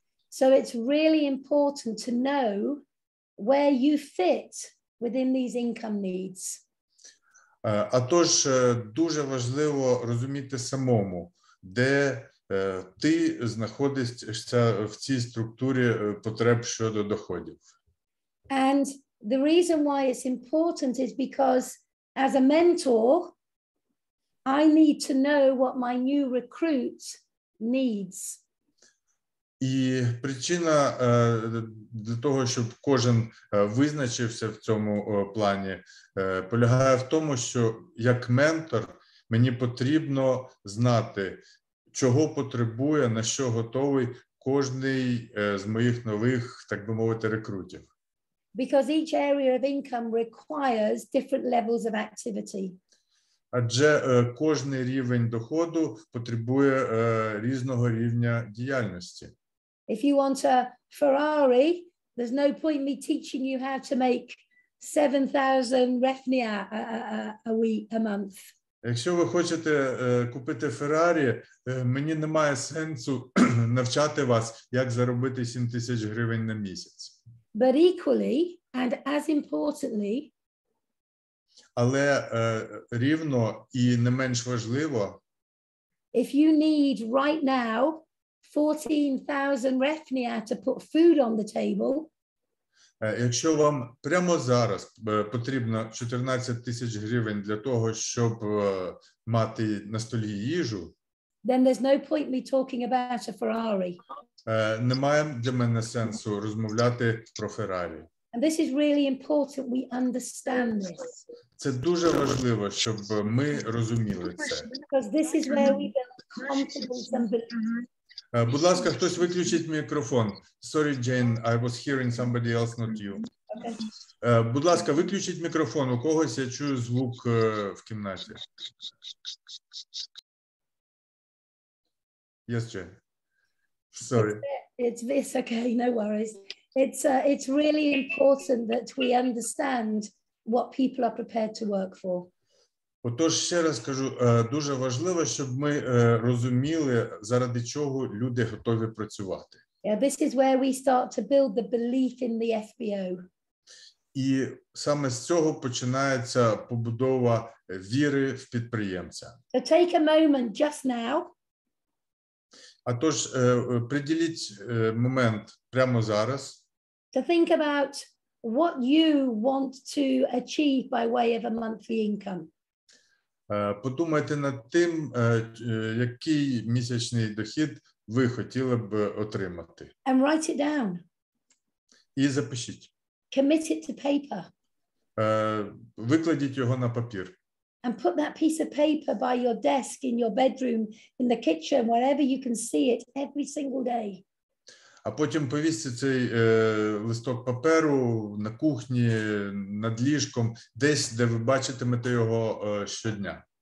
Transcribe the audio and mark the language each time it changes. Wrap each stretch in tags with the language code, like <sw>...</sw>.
<en>So it's really important to know where you fit within these income needs.</en> <uk>А тож дуже важливо розуміти самому, де ти знаходишся в цій структурі потреб щодо доходів.</uk> <en>And the reason why it's important is because as a mentor, I need to know what my new recruit needs.</en> <uk>І причина для того, щоб кожен визначився в цьому плані, полягає в тому, що як ментор мені потрібно знати, чого потребує, на що готовий кожний з моїх нових, так би мовити, рекрутів.</uk> <en>Because each area of income requires different levels of activity.</en> <uk>Адже кожний рівень доходу потребує різного рівня діяльності.</uk> <en>If you want a Ferrari, there's no point me teaching you how to make 7,000 refni a month.</en> <uk>Якщо ви хочете купити Феррарі, мені немає сенсу навчати вас, як заробити 7 тисяч гривень на місяць.</uk> <en>But equally, and as importantly,</en> <uk>але рівно і не менш важливо,</uk> <en>if you need right now 14,000 refni to put food on the table,</en> <uk>якщо вам прямо зараз потрібно 14 тисяч гривень для того, щоб мати на столі їжу,</uk> <en>then there's no point me talking about a Ferrari.</en> <uk>Немає для мене сенсу розмовляти про Феррарі.</uk> <en>And this is really important we understand this.</en> <uk>Це дуже важливо, щоб ми розуміли це.</uk> <en>Because this is where we build confidence and belief.</en> <uk>Будь ласка, хтось виключить мікрофон.</uk> <en>Sorry, Jane, I was hearing somebody else, not you.</en> <uk>Будь ласка, виключіть мікрофон. У когось я чую звук в кімнаті.</uk> <en>Yes, Jane. Sorry. It's okay, no worries. It's really important that we understand what people are prepared to work for.</en> <uk>Отож, ще раз кажу, дуже важливо, щоб ми розуміли, заради чого люди готові працювати.</uk> <en>Yeah, this is where we start to build the belief in the FBO.</en> <uk>І саме з цього починається побудова віри в підприємця.</uk> <en>So take a moment just now.</en> <uk>А тож, приділіть момент прямо зараз.</uk> <en>To think about what you want to achieve by way of a monthly income.</en> <uk>Подумайте над тим, який місячний дохід ви хотіли б отримати.</uk> <en>And write it down.</en> <uk>І запишіть.</uk> <en>Commit it to paper.</en> <uk>Викладіть його на папір.</uk> <en>And put that piece of paper by your desk, in your bedroom, in the kitchen, wherever you can see it, every single day.</en> <uk>А потім повісьте цей листок паперу на кухні, над ліжком, десь, де ви бачитимете його щодня.</uk>